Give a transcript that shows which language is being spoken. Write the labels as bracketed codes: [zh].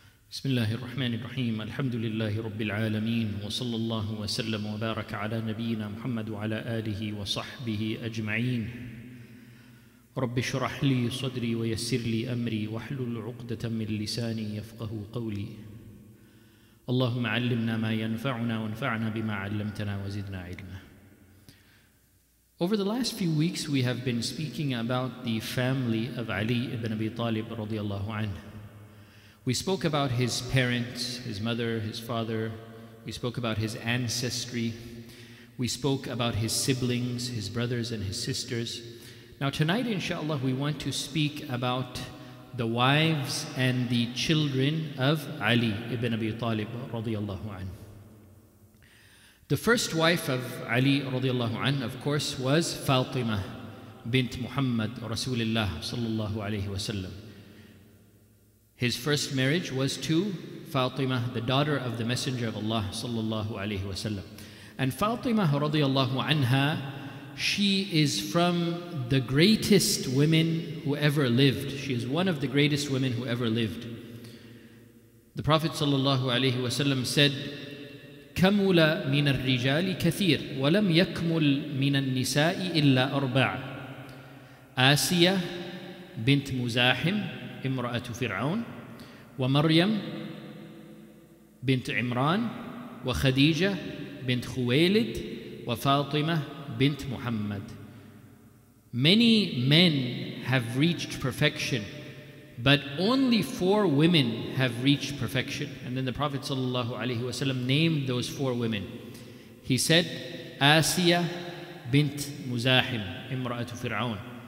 [ar] بسم الله الرحمن الرحيم الحمد لله رب العالمين وصلى الله وسلم وبارك على نبينا محمد وعلى آله وصحبه أجمعين رب اشرح لي صدري ويسر لي أمري واحلل عقدة من لساني يفقه قولي اللهم علمنا ما ينفعنا وانفعنا بما علمتنا وزدنا علما. [en] Over the last few weeks we have been speaking about the family of Ali ibn Abi Talib رضي الله عنه. We spoke about his parents, his mother, his father. We spoke about his ancestry. We spoke about his siblings, his brothers and his sisters. Now tonight, inshallah, we want to speak about the wives and the children of Ali ibn Abi Talib radiallahu anhu. The first wife of Ali radiallahu anhu, of course, was Fatima bint Muhammad Rasulullah sallallahu alayhi wa sallam. His first marriage was to Fatima, the daughter of the Messenger of Allah sallallahu alayhi wa sallam. And Fatima radiallahu anha, she is from the greatest women who ever lived. She is one of the greatest women who ever lived. The Prophet sallallahu alayhi wa sallam said, [ar] كَمُلَ مِنَ الرِّجَالِ كَثِيرٌ وَلَمْ يَكْمُلْ مِنَ النِّسَاءِ إِلَّا أَرْبَعٌ آسِيَة بِنْتْ مُزَاحِمْ امرأة فرعون ومريم بنت عمران وخديجة بنت خويلد وفاطمة بنت محمد. [en] Many men have reached perfection, but only four women have reached perfection. And then the Prophet sallallahu alaihi wasallam named those four women. He said, Asiya bint Muzahim, [ar] امرأة فرعون.